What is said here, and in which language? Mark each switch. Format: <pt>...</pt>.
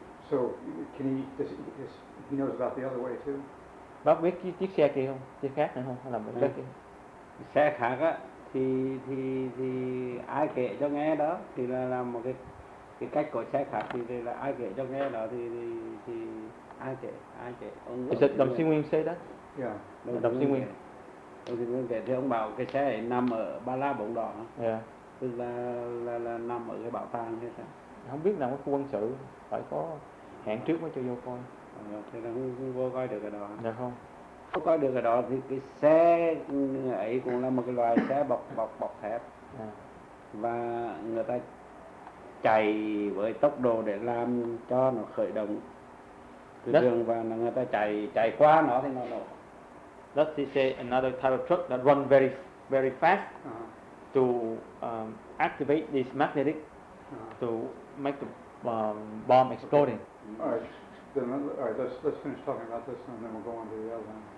<en>So, can he knows about the other way too?</en> <vi>Bác biết chiếc xe kia không? Chiếc khác nữa không? Hay là một cái kia? Xe khác á, thì ai kể cho nghe đó, thì là một cái cách của xe khác thì là ai kể cho nghe đó thì ai kể ông.</vi> <en>Is it Đồng Sinh Nguyên say that? Yeah.</en> <vi>Đồng Sinh Nguyên. Ông Sinh Nguyên kể thì ông bảo cái xe ấy nằm ở Ba La Bổng Đỏ.</vi> <en>Yeah.</en> <vi>Tức là nằm ở cái bảo tàng hay sao? Không biết là cái khu quân sự phải có hẹn trước mới cho vô coi. Thế là không vô coi được ở đó. Dạ không. Không coi được ở đó thì cái xe ấy cũng là một cái loại xe bọc thép.</vi> <en>Yeah.</en> <vi>Và người ta chạy với tốc độ để làm cho nó khởi động từ đường và người ta chạy qua nó thì nó nổ.</vi> <en>Let's just say another type of truck that run very, very fast to activate this magnetic to make the bomb exploding. Okay. Mm-hmm. All right, then let's finish talking about this and then we'll go on to the other one.</en>